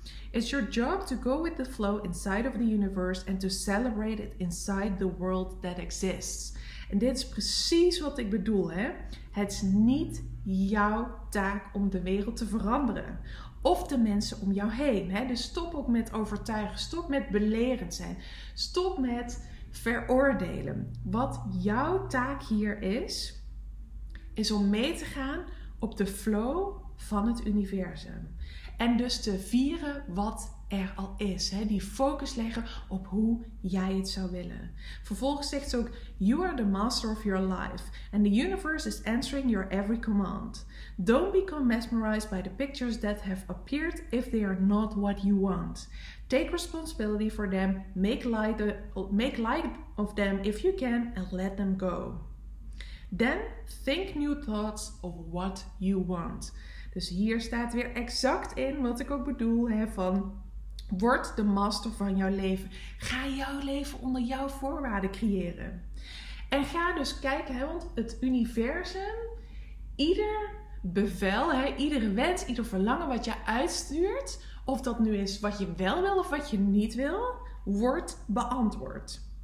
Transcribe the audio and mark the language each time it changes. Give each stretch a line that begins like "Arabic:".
English: It's your job to go with the flow inside of the universe and to celebrate it inside the world that exists.
Dutch: En dit is precies wat ik bedoel, hè. Het is niet jouw taak om de wereld te veranderen. of de mensen om jou heen. Hè? Dus stop ook met overtuigen, stop met belerend zijn, stop met veroordelen. Wat jouw taak hier is, is om mee te gaan op de flow van het universum. En dus te vieren wat er al is. Hè? Die focus leggen op hoe jij het zou willen. Vervolgens zegt ze ook, you are the master of your life.
English: And the universe is answering your every command. Don't become mesmerized by the pictures that have appeared if they are not what you want. Take responsibility for them. Make light of them if you can and let them go. Then think new thoughts of what you want.
Dutch: Dus hier staat weer exact in wat ik ook bedoel, hè, van word de master van jouw leven. Ga jouw leven onder jouw voorwaarden creëren. En ga dus kijken, hè, want het universum, ieder bevel, hè, iedere wens, ieder verlangen wat je uitstuurt, of dat nu is wat je wel wil of wat je niet wil, wordt beantwoord.